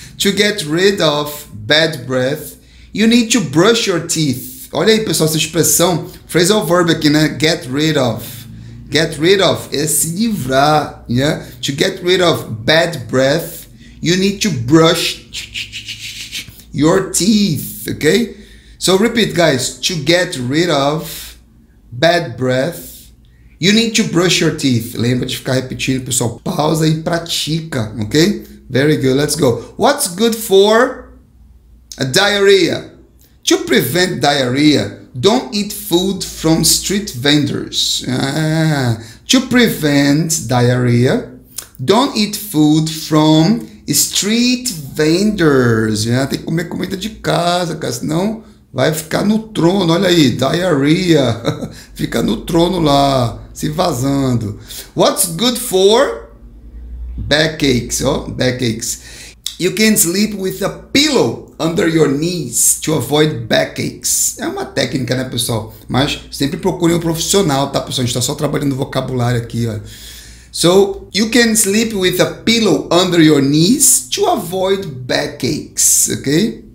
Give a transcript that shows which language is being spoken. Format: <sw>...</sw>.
<en>To get rid of bad breath, you need to brush your teeth.</en> <pt>Olha aí, pessoal, essa expressão, phrasal verb aqui, né?</pt> <en>Get rid of. Get rid of</en> <pt>é se livrar,</pt> <en>yeah? To get rid of bad breath, you need to brush your teeth, okay? So repeat, guys. To get rid of bad breath, you need to brush your teeth.</en> <pt>Lembra de ficar repetindo, pessoal. Pausa e pratica, okay?</pt> <en>Very good. Let's go. What's good for a diarrhea? To prevent diarrhea, don't eat food from street vendors. To prevent diarrhea, don't eat food from street vendors.</en> <pt>Tem que comer comida de casa, cara, senão vai ficar no trono. Olha aí, diarrhea. Fica no trono lá, se vazando.</pt> <en>What's good for backaches? Oh, backaches. You can sleep with a pillow under your knees to avoid backaches.</en> <pt>É uma técnica, né, pessoal? Mas sempre procure um profissional, tá, pessoal? A gente tá só trabalhando o vocabulário aqui, ó.</pt> <en>So, you can sleep with a pillow under your knees to avoid backaches, ok?</en>